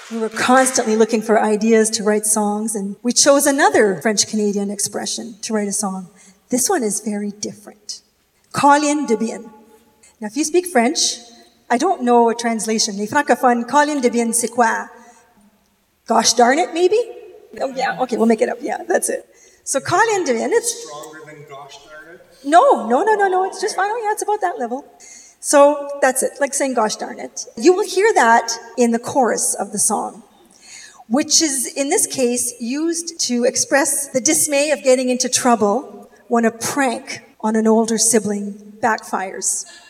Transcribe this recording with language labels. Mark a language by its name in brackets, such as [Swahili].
[English] constantly looking for ideas to write songs, and we chose another French-Canadian expression to write a song. This one is very different. Colin de bien. Now, if you speak French, I don't know a translation. [French] Les francophones, colin de bien, c'est quoi? [English] Gosh darn it, maybe? Oh, yeah, okay, we'll make it up. Yeah, that's it. So colin de bien, it's... stronger than gosh darn it? No. It's just fine. Oh, yeah, it's about that level. So that's it, like saying gosh darn it. You will hear that in the chorus of the song, which is, in this case, used to express the dismay of getting into trouble when a prank on an older sibling backfires.